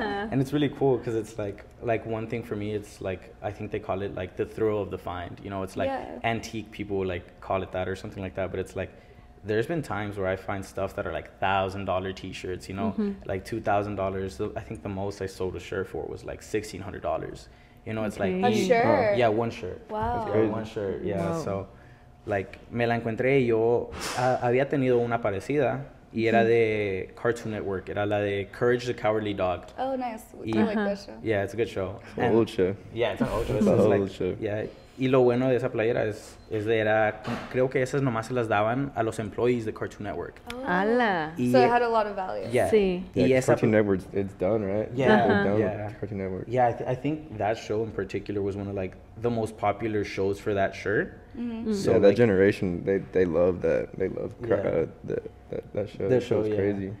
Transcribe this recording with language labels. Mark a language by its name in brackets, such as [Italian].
[English] And it's really cool because it's like one thing for me, it's like, I think they call it like the thrill of the find, you know, it's like antique people like call it that or something like that, but it's like, there's been times where I find stuff that are like $1,000 t-shirts, you know, like $2,000. I think the most I sold a shirt for was like $1,600. You know, it's like a shirt. Yeah, one shirt. One shirt. [Spanish] So, like, me la encontré y yo había tenido una parecida y era de Cartoon Network. Era la de Courage the Cowardly Dog. [English] Oh, nice. I like that show. Yeah, it's a good show. It's an old show. Yeah, it's an old show. It's an old show. Yeah, [Spanish] Y lo bueno de esa playera es de era, creo que esas nomás se las daban a los employees de Cartoon Network. Oh. ¡Hala! [English] Y, so it had a lot of value. Yeah. [Spanish] Sí. [English] Yeah, y esa, Cartoon Network, it's done, right? Yeah. Uh-huh. Cartoon Network. Yeah, I think that show in particular was one of like the most popular shows for that shirt. Mm-hmm. So yeah, that like, generation, they love that. They love that show. That show was crazy.